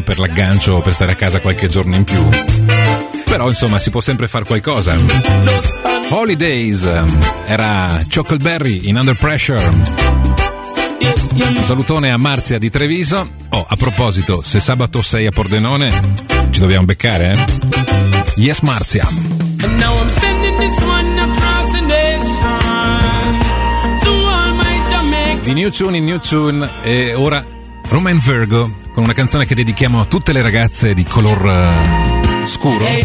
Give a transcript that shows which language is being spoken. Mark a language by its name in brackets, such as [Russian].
[Italian] Per l'aggancio, per stare a casa qualche giorno in più. Però insomma si può sempre far qualcosa. Holidays era Chuckleberry in Under Pressure. Un salutone a Marzia di Treviso. Oh, a proposito, se sabato sei a Pordenone, ci dobbiamo beccare, eh? [English] Yes, Marzia. And now I'm sending this one across the nation to all my Jamaica. Di new tune [Italian] e ora Roman Virgo con una canzone che dedichiamo a tutte le ragazze di color scuro.